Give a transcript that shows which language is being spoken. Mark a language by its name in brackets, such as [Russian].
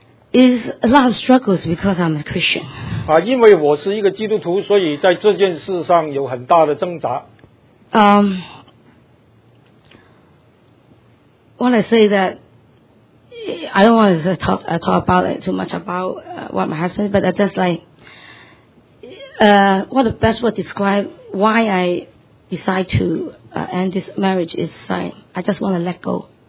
[English] Is a lot of struggles because I'm a Christian. [Chinese] 因为我是一个基督徒，所以在这件事上有很大的挣扎。 [English] When I say that, I don't want to talk about it too much about what my husband, but that's like, what the best word describe why I decide to end this marriage is like, I just want to let go.